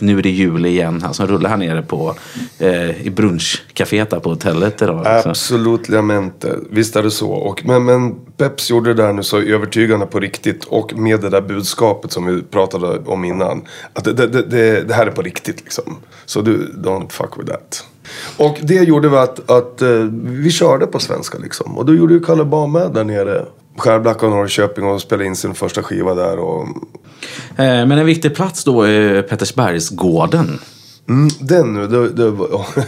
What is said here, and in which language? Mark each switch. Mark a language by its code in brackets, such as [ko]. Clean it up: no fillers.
[sv] Nu är det jul igen här, som rullar här nere på i brunchcaféet på hotellet idag. Absolut, lamente. Visst är det så, och men Peps gjorde det där nu så övertygande på riktigt, och med det där budskapet som vi pratade om innan, att det här är på riktigt liksom. Så du, [en] don't fuck with that. [sv] Och det gjorde vi att vi körde på svenska liksom. Och då gjorde ju Kalle Ba med där nere. Skärblack och Norrköping och spelade in sin första skiva där. Och... Men en viktig plats då är Pettersbergsgården. Den nu, det var...